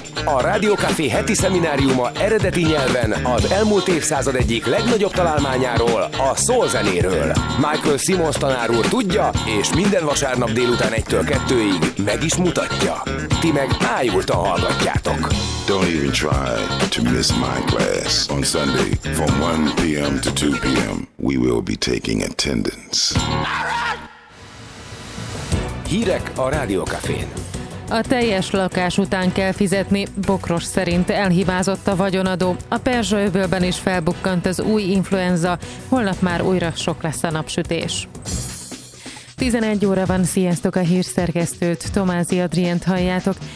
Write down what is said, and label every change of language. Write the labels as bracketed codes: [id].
[hu] A Rádió Café heti szemináriuma eredeti nyelven az elmúlt évszázad egyik legnagyobb találmányáról, a soul zenéről. Michael Simmons tanár úr tudja, és minden vasárnap délután 1-től 2-ig meg is mutatja. Ti meg ájultan hallgatjátok. [en] Don't even try to miss my class on Sunday from 1 p.m. to 2 p.m. We will be taking attendance. [hu] Hírek a Rádió Cafén. A teljes lakás után kell fizetni, Bokros szerint elhibázott a vagyonadó. A Perzsa-öbölben is felbukkant az új influenza, holnap már újra sok lesz a napsütés. 11 óra van, sziasztok, a hírszerkesztőt, Tomázi Adrient halljátok.